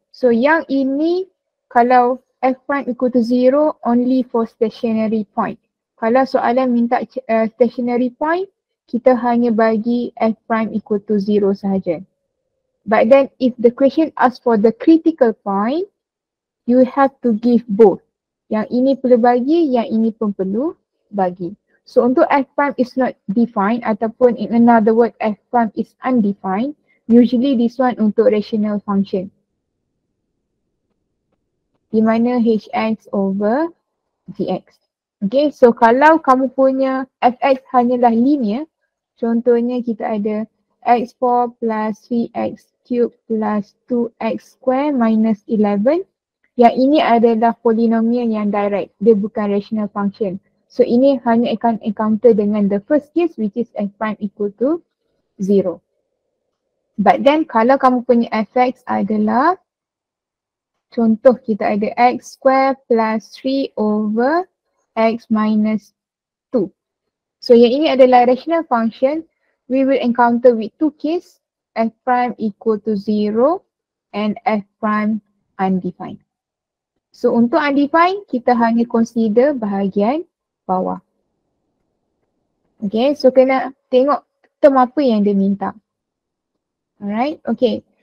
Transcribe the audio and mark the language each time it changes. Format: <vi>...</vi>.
<ms>So yang ini kalau</ms> <en>f prime equal to zero only for stationary point.</en> <ms>Kalau soalan minta stationary point, kita hanya bagi</ms> <en>f prime equal to zero</en> <ms>sahaja.</ms> <en>But then if the question asks for the critical point, you have to give both.</en> <ms>Yang ini perlu bagi, yang ini pun perlu bagi.</ms> <en>So</en> <ms>untuk</ms> <en>f prime is not defined</en> <ms>ataupun</ms> <en>in another word, f prime is undefined. Usually this one</en> <ms>untuk</ms> <en>rational function,</en> <ms>di mana</ms> <en>hx over gx.</en> <ms>Okay, so kalau kamu punya fx hanyalah linear, contohnya kita ada x4 plus 3x cube plus 2x square minus 11, yang ini adalah polinomial yang direct, dia bukan rational function.</ms> <en>So</en> <ms>ini hanya akan</ms> <en>encounter dengan the first case, which is f prime equal to 0. But then</en> <ms>kalau kamu punya fx adalah, contoh kita ada</ms> <en>x square plus 3 over x minus 2.</en> <ms>So yang ini adalah rational function.</ms> <en>We will encounter with two case, f prime equal to 0 and f prime undefined.</en> <ms>So untuk undefined, kita hanya</ms> <en>consider</en> <ms>bahagian bawah. Okay, so kena tengok term apa yang dia minta.</ms> <en>Alright, okay.</en>